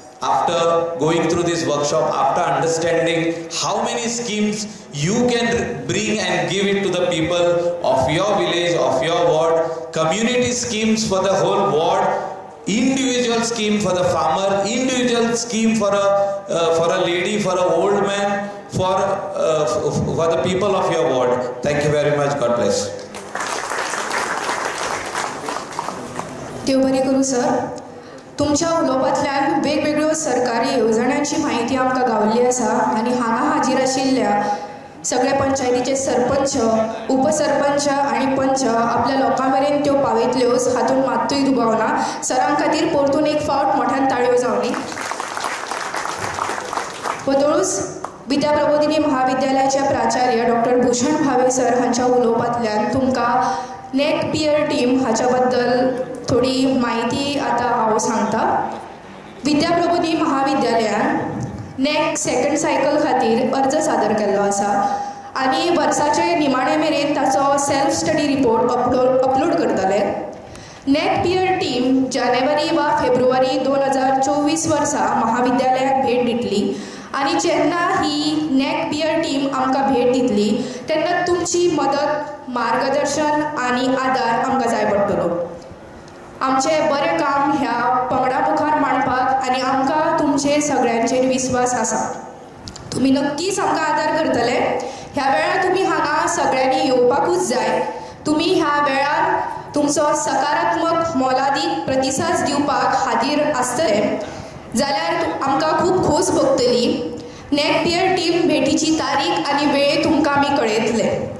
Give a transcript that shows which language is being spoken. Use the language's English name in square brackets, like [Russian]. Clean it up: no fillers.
[English] After going through this workshop, after understanding how many schemes you can bring and give it to the people of your village, of your ward, community schemes for the whole ward, individual scheme for the farmer, individual scheme for a lady, for a old man, for the people of your ward. Thank you very much. God bless. [Konkani] Dev Bari Guru sir, तुमच्या उलोवपांतल्यान वेगवेगळ्यो सरकारी येवजण्यांची माहिती आमकां गावल्ली आसा. आनी हांगा हाजीर आशिल्ल्या सगळ्या पंचायतीचे सरपंच, उपसरपंच आनी पंच आपल्या लोकां मेरेन त्यो पावयतल्यो हातूंत मात्तूय दुबावना. सरां खातीर परतून एक फावट मोठ्यान ताळयो जावणी. पदळूस विद्या प्रबोधिनी महाविद्यालयाच्या प्राचार्य डॉक्टर भूषण भावे सर हांच्या उलोवपांतल्यान तुमकां नेट पियर टीम हाच्या बद्दल थोडी माहिती आतां हांव सांगतां. विद्या प्रबोधिनी महाविद्यालयान नेक्स्ट सेकंड सायकल खातीर अर्ज सादर केल्लो आसा आनी वर्साचे निमाणे मेरेन ताचो सेल्फ स्टडी रिपोर्ट अपलोड करतले. नेट पियर टीम जानेवारी वा फेब्रुवारी 2024 वर्सा महाविद्यालयाक भेट दितली. आनी जेन्ना ही नेक पियर टीम आमकां भेट दितली तेन्ना तुमची मदत, मार्गदर्शन आनी आदार आमकां जाय पडटलो. आमचें बरें काम ह्या पंगडा मुखार मांडपाक आनी आमकां तुमचे सगळ्यांचेर विस्वास आसा. तुमी नक्कीच आमकां आदार करतले. ह्या वेळार तुमी हांगा सगळ्यांनी येवपाकूच जाय. तुमी ह्या वेळार तुमचो सकारात्मक मोलादीक प्रतिसाद दिवपाक हाजीर आसतले जाल्यार आमकां खूब खोस भोगतली. नेक पियर टीम भेटीची तारीख आनी वेळ तुमकां आमी कळयतले.